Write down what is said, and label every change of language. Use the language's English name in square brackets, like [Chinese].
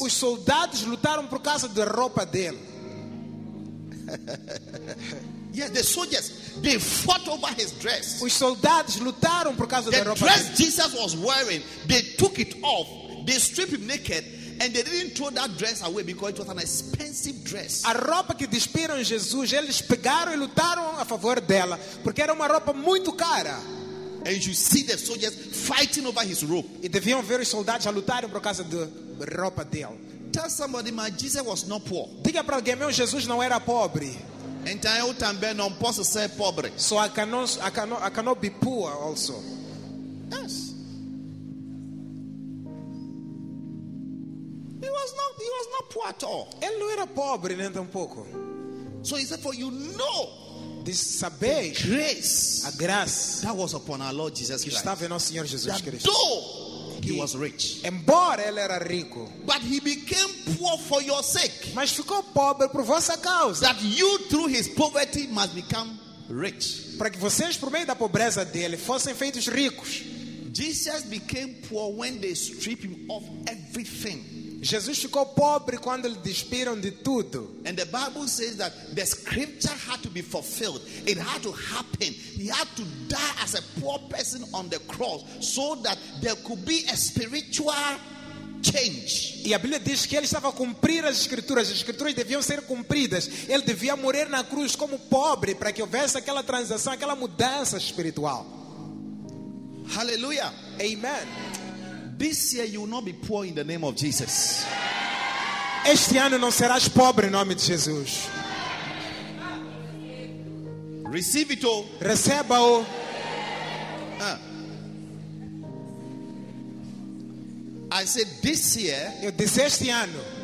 [Portuguese] Os soldados lutaram por causa da roupa dele. [English] Yeah, the soldiers, they fought over his dress. [Portuguese] Os soldados lutaram por causa [English] the [Portuguese] da roupa. [English] The dress Jesus was wearing, they took it off. They stripped him naked. And they didn't throw that dress away because it was an expensive dress. [Portuguese] A roupa que despiram Jesus, eles pegaram e lutaram a favor dela, porque era uma roupa muito cara. [English] And you see the soldiers fighting over his robe. [Portuguese] E deviam ver os soldados a lutarem por causa da roupa dele. [English] Tell somebody, my Jesus was not poor. [Portuguese] Diga para alguém, meu Jesus não era pobre. Então eu também não posso ser pobre. [English] So I cannot be poor also. Yes. He was not poor at all. [Portuguese] Ele não era pobre nem tampouco. [English] So he said, for you know, this saber, grace, [Portuguese] a graça, [English] that was upon our Lord Jesus Christ. [Portuguese] Estava em nosso Senhor Jesus Cristo. [English] He was rich. [Portuguese] Embora ele era rico, [English] but he became poor for your sake. [Portuguese] Mas ficou pobre por vossa causa. [English] That you through his poverty must become rich. [Portuguese] Para que vocês por meio da pobreza dele fossem feitos ricos. [English] Jesus became poor when they stripped him of everything. [Portuguese] Jesus ficou pobre quando lhe despiram de tudo. [English] And the Bible says that the scripture had to be fulfilled. It had to happen. He had to die as a poor person on the cross so that there could be a spiritual change. [Portuguese] E a Bíblia diz que ele estava a cumprir as escrituras deviam ser cumpridas. Ele devia morrer na cruz como pobre para que houvesse aquela transição, aquela mudança espiritual. [English] Hallelujah. Amen. This year you will not be poor in the name of Jesus. [Portuguese] Este ano não serás pobre em nome de Jesus. [English] Receive it all. [Portuguese] Receba-o. [English] I said this year. [Portuguese] Eu disse este ano.